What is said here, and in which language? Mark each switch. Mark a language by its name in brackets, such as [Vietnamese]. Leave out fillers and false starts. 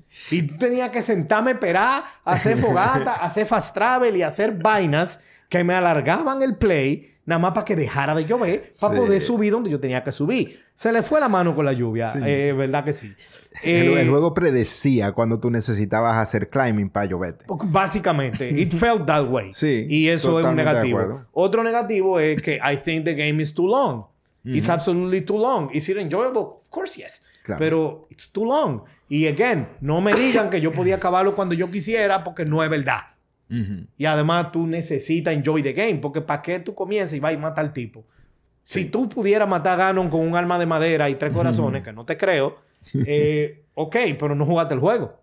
[Spanish] Y tú tenías que sentarme, esperar, hacer fogata, hacer [English] fast travel [Spanish] y hacer vainas que me alargaban el play, nada más para que dejara de llover, para poder subir donde yo tenía que subir. Se le fue la mano con la lluvia, ¿verdad que sí? El juego predecía cuando tú necesitabas hacer climbing para lloverte. [English] Básicamente, it felt that way. [Spanish] Sí. Y eso es un negativo. Otro negativo es que [English] I think the game is too long. It's absolutely too long. Is it enjoyable? Of course, yes. [Spanish] Claro. [English] Pero it's too long. [Spanish] Y [English] again, [Spanish] no me digan que yo podía acabarlo cuando yo quisiera, porque no es verdad. Y además tú necesitas [English] enjoy the game, [Spanish] porque ¿para qué tú comienzas y vas y matas al tipo? Sí. Si tú pudieras matar a Ganon con un arma de madera y 3 corazones, que no te creo, ok, pero no jugaste el juego.